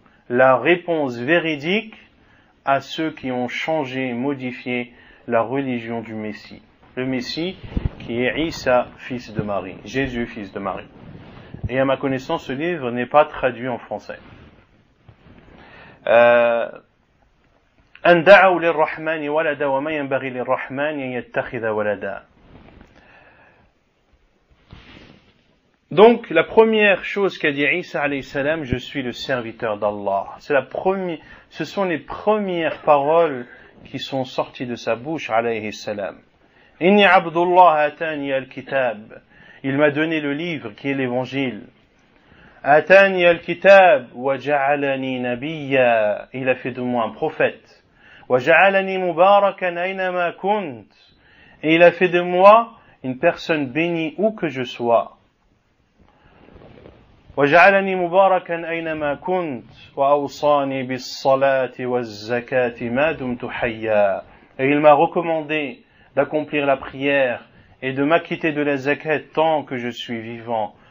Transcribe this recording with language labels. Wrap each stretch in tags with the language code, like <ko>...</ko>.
<fr>La réponse véridique à ceux qui ont changé, modifié la religion du Messie. Le Messie qui est Issa, fils de Marie, Jésus, fils de Marie. Et à ma connaissance, ce livre n'est pas traduit en français.</fr> <ar>أندعوا للرحمن ولدا وما ينبغي للرحمن أن يتخذ ولدا.</ar> <fr>Donc la première chose qu'a dit Isa alayhi salam, je suis le serviteur d'Allah. Ce sont les premières paroles qui sont sorties de sa bouche alayhi salam.</fr> <ar>إني عبد الله أتاني الكتاب.</ar> <fr>Il m'a donné le livre qui est l'Évangile.</fr> <ar>أتاني الكتاب وجعلني نبيا.</ar> <fr>Il a fait de moi un prophète.</fr> <ar>وَجَعَلَنِي مُبَارَكًا أَيْنَمَا كُنْتِ</ar> <fr>Et il a fait de moi une personne bénie où que je sois.</fr> <ar>وَجَعَلَنِي مُبَارَكًا أَيْنَمَا كُنْتِ وَأَوْصَانِي بِالصَّلَاةِ وَالزَّكَاةِ مَا دُمْتُ حَيَّا</ar> <fr>Et il m'a recommandé d'accomplir la prière et de m'acquitter de la zakat tant que je suis vivant.</fr>